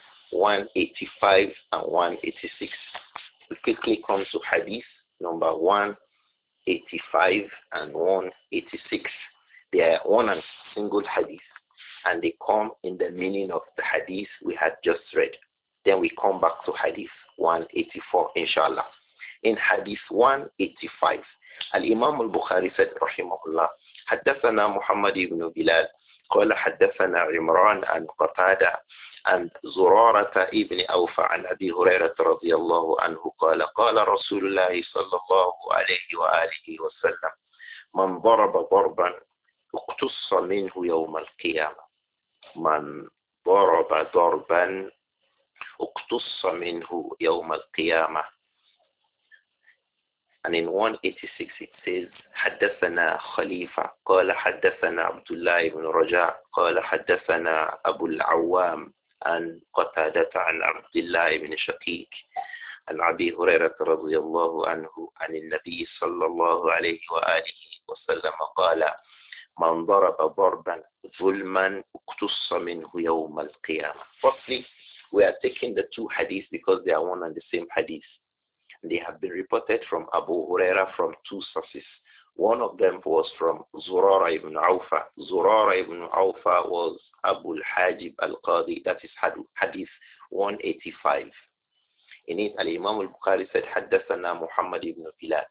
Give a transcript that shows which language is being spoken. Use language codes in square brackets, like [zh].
[en] 185 and 186. We quickly come to hadith number 185 and 186. They are one and single hadith, and they come in the meaning of the hadith we had just read. Then we come back to hadith 184, inshallah. In hadith 185, al-Imam al-Bukhari said, rahimahullah, [ar] حدثنا محمد بن بلال قال حدثنا عمران عن قتادة عن زرارة ابن أوفى عن أبي هريرة رضي الله عنه قال قال رسول الله صلى الله عليه وآله وسلم من ضرب ضربا اقتص منه يوم القيامة من ضرب ضربا اقتص منه يوم القيامة. [en] And in 186 it says, [ar] حدثنا خليفة قال حدثنا عبد الله بن رجاء قال حدثنا أبو العوام عن قتادة عن عبد الله بن شقيق عن أبي هريرة رضي الله عنه عن النبي صلى الله عليه وآله وسلم قال من ضرب ضربا ظلما اقتص منه يوم القيامة. [en] Firstly, we are taking the two hadiths because they are one and the same hadith. They have been reported from Abu Huraira from two sources. One of them was from Zurara ibn Awfa. Zurara ibn Awfa was Abu al-Hajib al-Qadi. That is hadith 185. In it, al-Imam al-Bukhari said, [ar] حَدَّثَنَا [en] Muhammad ibn Bilal.